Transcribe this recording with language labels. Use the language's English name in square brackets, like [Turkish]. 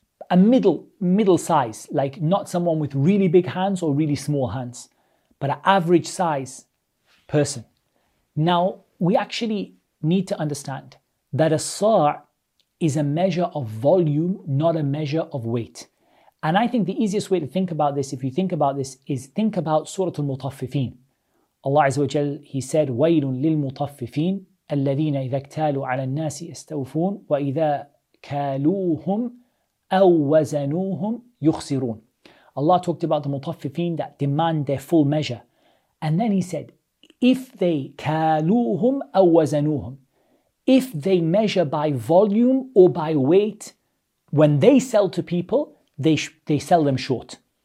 [English] A middle size, like not someone with really big hands or really small hands, but an average size person. Now, we actually need to understand that a sa' is a measure of volume, not a measure of weight. And I think the easiest way to think about this, if you think about this, is think about Surah Al-Mutaffifin. Allah Azza wa Jal, he said, [Arabic] وَيْلٌ لِلْمُطَفِّفِينَ الَّذِينَ إِذَا اكْتَالُوا عَلَى النَّاسِ يَسْتَوْفُونَ وَإِذَا كَالُوهُمْ أَوْ وَزَنُوهُمْ يُخْسِرُونَ. [English] Allah talked about the Mutaffifin that demand their full measure. And then he said, if they [Arabic] كَالُوهُمْ أَوْ وَزَنُوهُمْ, [English] if they measure by volume or by weight, when they sell to people, they sell them short.